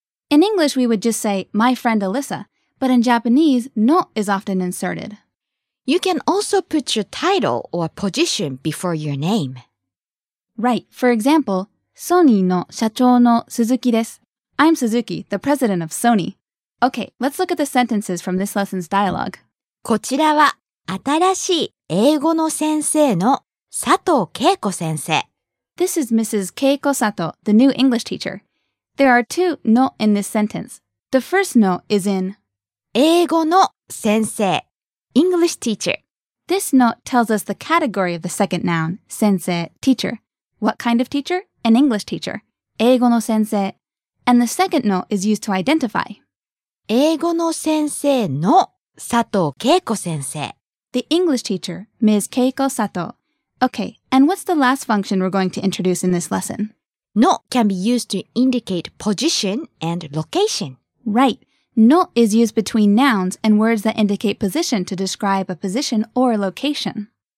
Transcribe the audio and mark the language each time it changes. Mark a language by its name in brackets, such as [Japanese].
[English] In English, we would just say my friend Alyssa, but in Japanese, no is often inserted. You can also put your title or position before your name. Right. For example, [Japanese] Sony の社長の鈴木です。 [English] I'm Suzuki, the president of Sony. Okay, let's look at the sentences from this lesson's dialogue. [Japanese] こちらは新しい英語の先生の佐藤恵子先生。 [English] This is Mrs. Keiko Sato, the new English teacher. There are two no in this sentence. The first no is in [Japanese] 英語の先生 [English] English teacher. This no tells us the category of the second noun 先生 teacher. What kind of teacher? An English teacher. [Japanese] 英語の先生 [English] And the second no is used to identify [Japanese] 英語の先生の佐藤恵子先生 [English] The English teacher, Ms. Keiko Sato. Okay, and what's the last function we're going to introduce in this lesson? No can be used to indicate position and location. Right. No is used between nouns and words that indicate position to describe a position or a location.